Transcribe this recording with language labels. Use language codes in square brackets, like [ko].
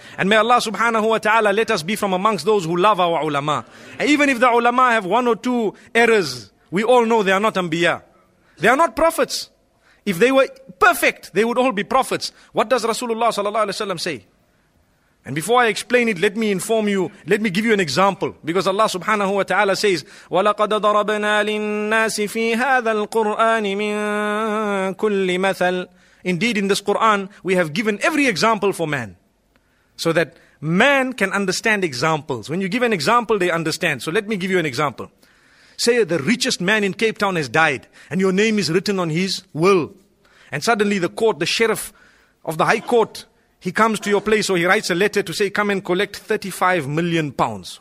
[en] And may Allah subhanahu wa ta'ala let us be from amongst those who love our ulama. And even if the ulama have one or two errors, we all know they are not anbiya. They are not prophets. If they were perfect, they would all be prophets. What does Rasulullah sallallahu alaihi wasallam say? And before I explain it, let me inform you, let me give you an example. Because Allah subhanahu wa ta'ala says, [ar] وَلَقَدْ ضَرَبْنَا لِلنَّاسِ فِي هَذَا الْقُرْآنِ مِنْ كُلِّ مَثَلٍ. [en] Indeed, in this Quran, we have given every example for man. So that man can understand examples. When you give an example, they understand. So let me give you an example. Say the richest man in Cape Town has died and your name is written on his will. And suddenly the court, the sheriff of the high court, he comes to your place or he writes a letter to say, come and collect 35 million pounds.